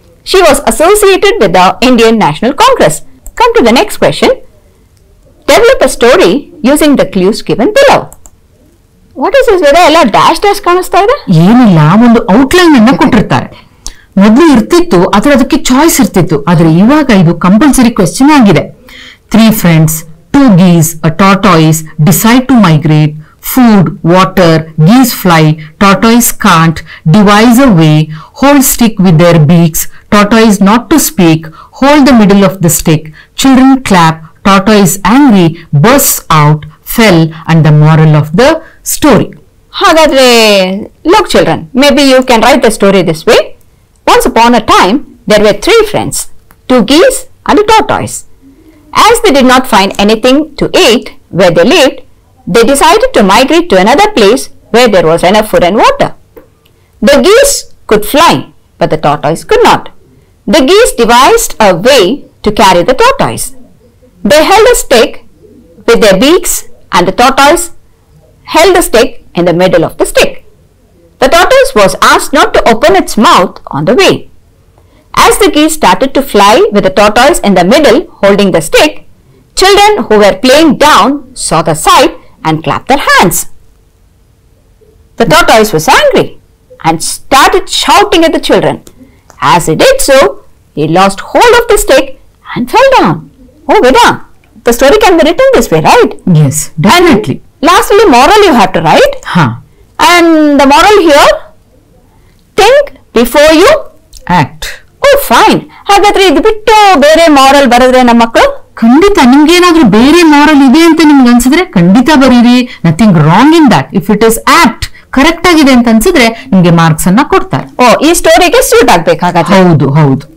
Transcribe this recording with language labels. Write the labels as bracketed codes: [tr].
[en] She was associated with the Indian National Congress. Come to the next question. Develop a story using the clues given below. What is this? [kn] Weather ಎಲ್ಲ dash dash ಕಾಣಿಸ್ತಾ ಇದೆ. ಏನಿಲ್ಲ, ಒಂದು outline ಅನ್ನ ಕೊಟ್ಟಿರ್ತಾರೆ. ಮೊದಲು ಇರ್ತಿತ್ತು, ಆದ್ರೆ ಅದಕ್ಕೆ ಚಾಯ್ಸ್ ಇರ್ತಿತ್ತು. ಆದ್ರೆ ಇವಾಗ ಇದು ಕಂಪಲ್ಸರಿ ಕ್ವೆಶನ್ ಆಗಿದೆ. [en] 3 friends, 2 geese, a tortoise, decide to migrate, food, water, geese fly, tortoise can't, devise a way, hold stick with their beaks, tortoise not to speak, hold the middle of the stick, children clap, tortoise angry, bursts out, fell, and the moral of the story. ಹಾಗಾದ್ರೆ look children, maybe you can write the story this way. Once upon a time there were 3 friends, 2 geese and tortoise. As they did not find anything to eat where they lived, they decided to migrate to another place where there was enough food and water. The geese could fly but the tortoise could not. The geese devised a way to carry the tortoise. They held a stick with their beaks and the tortoise held a stick in the middle of the stick. The tortoise was asked not to open its mouth on the way. As the geese started to fly with the tortoise in the middle holding the stick, children who were playing down saw the sight and clapped their hands. The tortoise was angry and started shouting at the children. As he did so, he lost hold of the stick and fell down. Oh, Veda, the story can be written this way, right? Yes, definitely. And lastly, moral you have to write. Huh. And the moral here, think before you act. Oh, fine. [kn] ಹಾಗಾದ್ರೆ ಇದು ಬಿಟ್ಟು ಬೇರೆ moral ಬರೆದ್ರೆ ನಮ್ಮ ಮಕ್ಕಳು? ಖಂಡಿತ, ನಿಮ್ಗೆ ಏನಾದ್ರೂ ಬೇರೆ ಮಾರಲ್ ಇದೆ ಅಂತ ನಿಮ್ಗೆ ಅನ್ಸಿದ್ರೆ ಖಂಡಿತ ಬರೀರಿ. [en] Nothing wrong in that. [kn] If it is act, correct ಆಗಿದೆ ಅಂತ ಅನ್ಸಿದ್ರೆ ನಿಮ್ಗೆ ಮಾರ್ಕ್ಸ್ ಅನ್ನ ಕೊಡ್ತಾರೆ. ಓ, ಈ ಸ್ಟೋರಿಗೆ ಸೂಟ್ ಆಗ್ಬೇಕಾಗತ್ತೆ. ಹೌದು ಹೌದು.